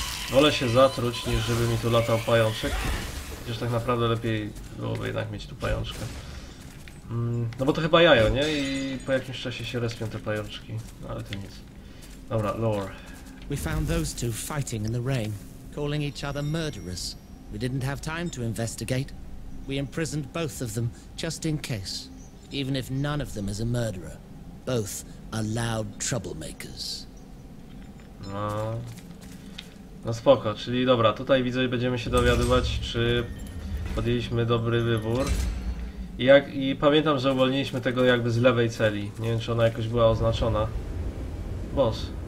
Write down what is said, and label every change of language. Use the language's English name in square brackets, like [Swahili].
[Polish] Wolę się zatruć, niż żeby mi tu latał pajączek. Chociaż tak naprawdę lepiej byłoby jednak mieć tu pajączkę. No bo to chyba jajo, nie? I po jakimś czasie się respią te pajączki. No ale to nic. Dobra, lore. [English] We found those two fighting in the rain. Calling each other murderers. We didn't have time to investigate. We imprisoned both of them, just in case. Even if none of them is a murderer, both are loud troublemakers. [Polish] No spoko, czyli dobra, tutaj widzę, będziemy się dowiadywać, czy Podjęliśmy dobry wybór. I pamiętam, że uwolniliśmy tego jakby z lewej celi. Nie wiem, czy ona jakoś była oznaczona. Boss.